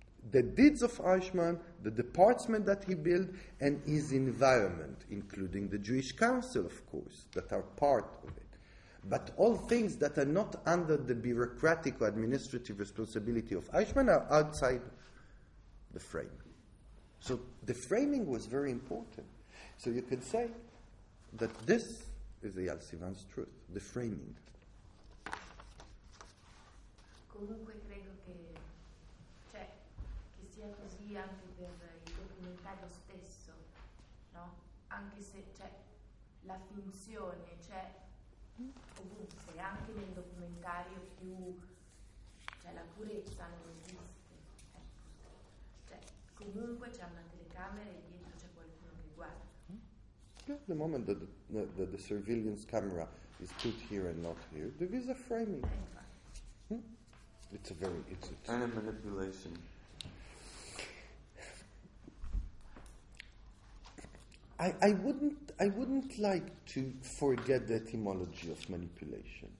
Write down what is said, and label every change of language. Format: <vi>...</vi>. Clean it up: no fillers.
<en>the deeds of Eichmann, the department that he built, and his environment, including the Jewish Council, of course, that are part of it, but all things that are not under the bureaucratic or administrative responsibility of Eichmann are outside the frame. So the framing was very important. So you could say that this is the Yalsivan's truth, the framing.</en> <it>Comunque credo che, cioè, che sia così anche per il documentario stesso, no? Anche se c'è la finzione, c'è ovunque, anche nel documentario più, cioè la purezza non esiste. Cioè, comunque c'è una telecamera e dietro c'è qualcuno che guarda.</it> <en>At the moment that the surveillance camera is put here and not here, there is a framing. It's a manipulation. I wouldn't like to forget the etymology of manipulation.</en>